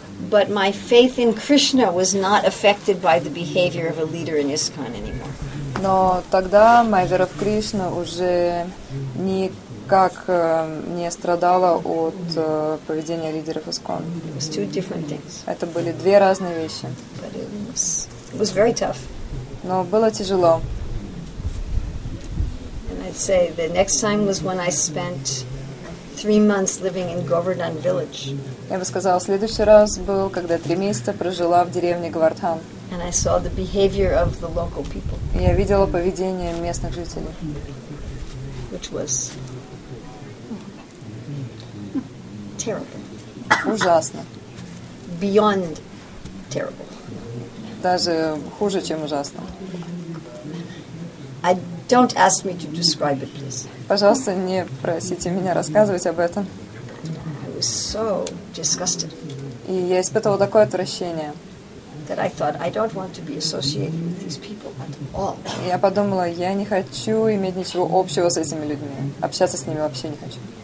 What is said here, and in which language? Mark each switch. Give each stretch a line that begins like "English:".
English: But my faith in Krishna was not affected by the behavior of a leader in ISKCON anymore.
Russian: Но тогда моя вера в Кришну уже никак не страдала от поведения лидеров ISKCON.
English: It was 2 different things.
Russian: Это были 2 разные вещи.
English: But it was very tough.
Russian: Но было тяжело.
English: And I'd say the next time was when I spent 3 months living in Govardhan village.
Russian: Я бы сказала, следующий раз был, когда 3 месяца прожила в деревне Говардхан.
English: And I saw the behavior of the local people.
Russian: Я видела поведение местных жителей.
English: Which was terrible.
Russian: Ужасно.
English: Beyond terrible.
Russian: Даже хуже, чем ужасно.
English: Don't ask me to describe it, please.
Russian: Пожалуйста, не просите меня рассказывать об этом.
English: I was so disgusted.
Russian: И я испытывала такое отвращение.
English: That I thought I don't want to be associated with these people at all.
Russian: Я подумала, я не хочу иметь ничего общего с этими людьми. Общаться с ними вообще не хочу.